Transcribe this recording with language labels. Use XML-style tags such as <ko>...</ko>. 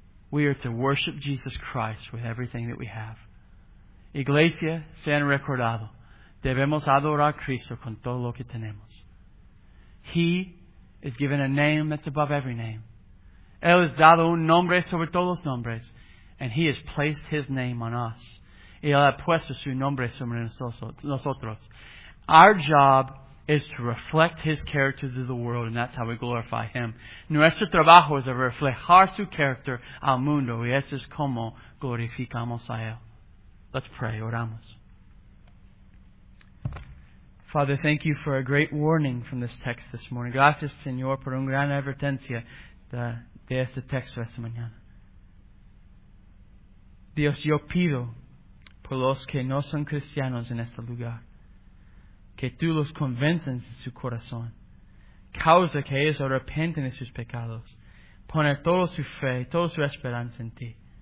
<en>We are to worship Jesus Christ with everything that we have.</en> <es>Iglesia, sean recordado. Debemos adorar a Cristo con todo lo que tenemos.</es> <en>He is given a name that's above every name.</en> <es>Él es dado un nombre sobre todos los nombres.</es> <en>And He has placed His name on us.</en> <es>Y Él ha puesto su nombre sobre nosotros.</es> <en>Our job is to reflect His character to the world, and that's how we glorify Him.</en> <es>Nuestro trabajo es a reflejar su character al mundo, y eso es como glorificamos a Él.</es> <en>Let's pray.</en> <es>Oramos.</es> <en>Father, thank You for a great warning from this text this morning.</en> <es>Gracias, Señor, por una gran advertencia de este texto esta mañana. Dios, yo pido por los que no son cristianos en este lugar, que Tú los convences de su corazón. Causa que ellos arrepienten de sus pecados. Poner toda su fe, toda su esperanza en Ti.</es>